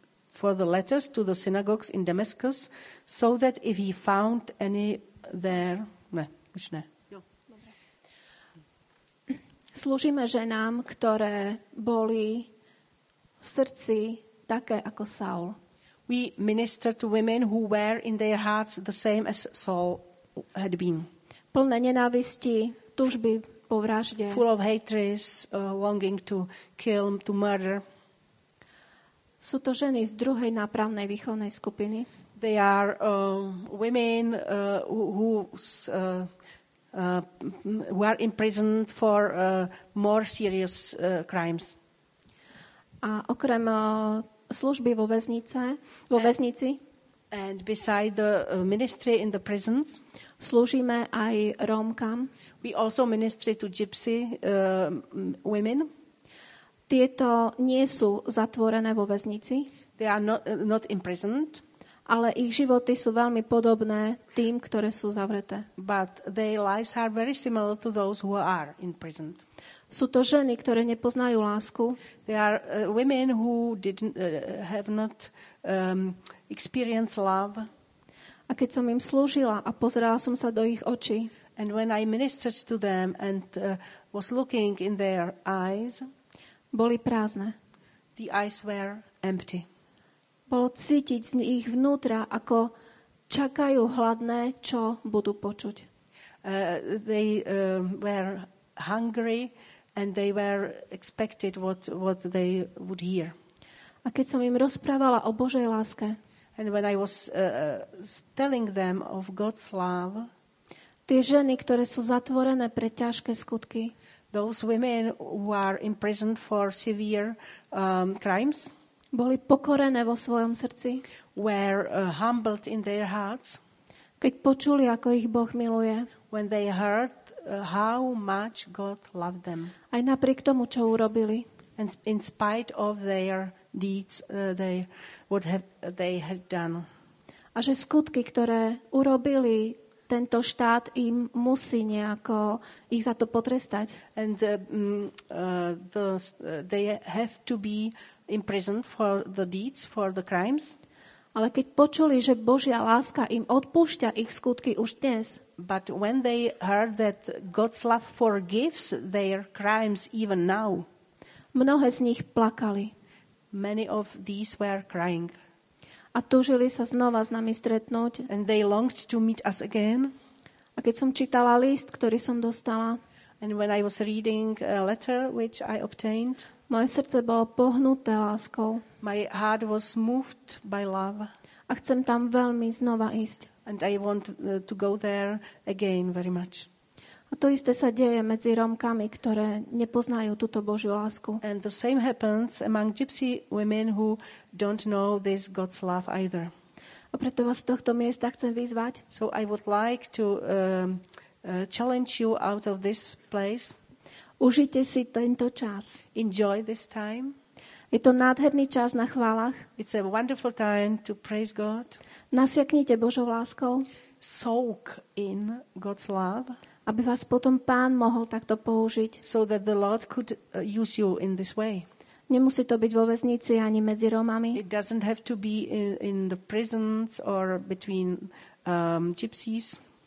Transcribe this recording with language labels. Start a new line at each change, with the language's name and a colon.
English: For the letters to the synagogues in Damascus, so that if he found any there...
Slovak: Ne, už ne. Jo. Služíme ženám, ktoré boli v srdci také ako Saul.
English: We minister to women who were in their hearts the same as Saul had been.
Slovak: Plné nenávisti, túžby po vražde.
English: Full of hatred, longing to kill, to murder.
Slovak: Sú to ženy z druhej nápravnej výchovnej skupiny.
English: They are women who are imprisoned for more serious crimes.
Slovak: A okrem služby vo väznice, vo väznici,
English: and beside the ministry in the prisons,
Slovak: slúžime aj Rómkam.
English: We also minister to gypsy women.
Slovak: Tieto nie sú zatvorené vo väznici.
English: They are not imprisoned.
Slovak: Ale ich životy sú veľmi podobné tým, ktoré sú zavreté.
English: But their lives are very similar to those who are imprisoned.
Slovak: Sú to ženy, ktoré nepoznajú lásku.
English: They are women who didn't have not experienced love.
Slovak: A keď som im slúžila a pozerala som sa do ich očí,
English: and when I ministered to them and was looking in their eyes,
Slovak: boli prázdne.
English: The eyes were empty.
Slovak: Bolo cítiť z ich vnútra, ako čakajú hladné, čo budú počuť.
English: They were hungry and they were expected what they would hear.
Slovak: A keď som im rozprávala o Božej láske,
English: and when I was telling them of God's love,
Slovak: tie ženy, ktoré sú zatvorené pre ťažké skutky,
English: those women who are imprisoned for severe crimes,
Slovak: boli pokorené vo svojom srdci,
English: were humbled in their hearts,
Slovak: keď počuli, ako ich Boh miluje,
English: when they heard how much God loved them,
Slovak: aj napriek tomu, čo urobili,
English: and in spite of their deeds they had done,
Slovak: a že skutky, ktoré urobili, tento štát im musí nejako ich za to potrestať.
English: And they have to be imprisoned for the deeds, for the crimes.
Slovak: Ale keď počuli, že Božia láska im odpúšťa ich skutky už dnes,
English: but when they heard that God's love forgives their crimes even now,
Slovak: mnohé z nich plakali.
English: Many of these were crying.
Slovak: A túžili sa znova s nami stretnúť.
English: And they longed to meet us again.
Slovak: A keď som čítala list, ktorý som dostala,
English: and when I was reading a letter which I obtained,
Slovak: moje srdce bolo pohnuté láskou.
English: My heart was moved by love.
Slovak: A chcem tam veľmi znova ísť.
English: And I want to go there again very much.
Slovak: A to isté sa deje medzi Rómkami, ktoré nepoznajú túto Božiu lásku.
English: And the same happens among gypsy women who don't know this God's love either.
Slovak: A preto vás z tohto miesta chcem vyzvať.
English: So I would like to challenge you out of this place.
Slovak: Užite si tento čas.
English: Enjoy this time.
Slovak: Je to nádherný čas na chválach.
English: It's a wonderful time to praise God.
Slovak: Nasiaknite Božou láskou.
English: Soak in God's love.
Slovak: Aby vás potom Pán mohol takto použiť.
English: So that the Lord could use you in this way.
Slovak: Nemusí to byť vo väznici ani medzi Rómami.
English: It doesn't have to be in the prisons or between gypsies.